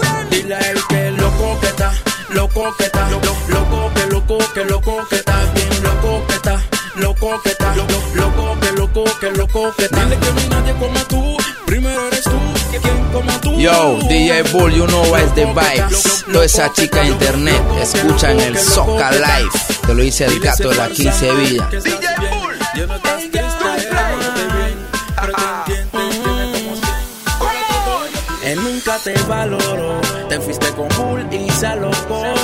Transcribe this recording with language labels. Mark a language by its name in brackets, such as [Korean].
[Spanish] Dile a él que loco que está, loco que está, loco, loco que loco, que loco que está. Bien loco que está, loco que está, loco, loco que loco, que loco que está. Dile que no hay nadie como tú, primero eres tú, quien como tú. [English] Yo, DJ Bull, you know what's the vibes. [Spanish] Toda esa chica en internet, escucha en el Soca Life. Te lo dice el gato, la 15 vida. DJ te valoro, te fuiste con Bull y se alocó.